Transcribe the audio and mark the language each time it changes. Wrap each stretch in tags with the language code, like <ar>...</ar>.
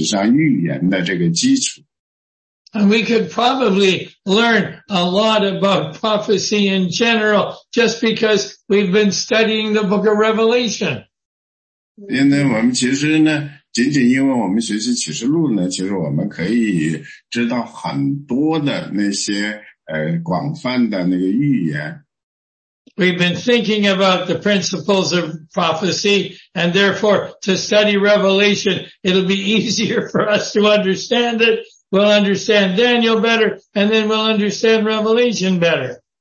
<zh>因为但以理书呢，可以给我们打下这么一个基础。这个基础是说神的公是怎么开始的，神的预言从哪里开始的。所以这样呢，历史上神是怎么做的。所以这些所有呢，给我们打下一个历史上预言的这个基础。</zh> <en>And we could probably learn a lot about prophecy in general just because we've been studying the book of Revelation.</en> <zh>因为我们其实呢， 仅仅因为我们学习启示录呢，其实我们可以知道很多的那些广泛的那个预言。</zh> <en>We've been thinking about the principles of prophecy, and therefore to study Revelation, it'll be easier for us to understand it. We'll understand Daniel better, and then we'll understand Revelation better.</en>